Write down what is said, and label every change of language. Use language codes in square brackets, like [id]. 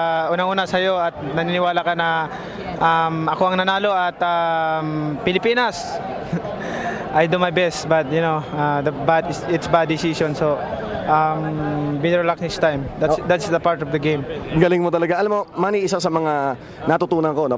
[tl] Unang-una sa'yo at naniniwala ka na ako ang nanalo at Pilipinas. [en] I do my best, but you know, it's bad decision, so be relaxed next time. That's the part of the game. [tl] Galing mo talaga. Alam mo, Manny, isa sa mga natutunan ko, no?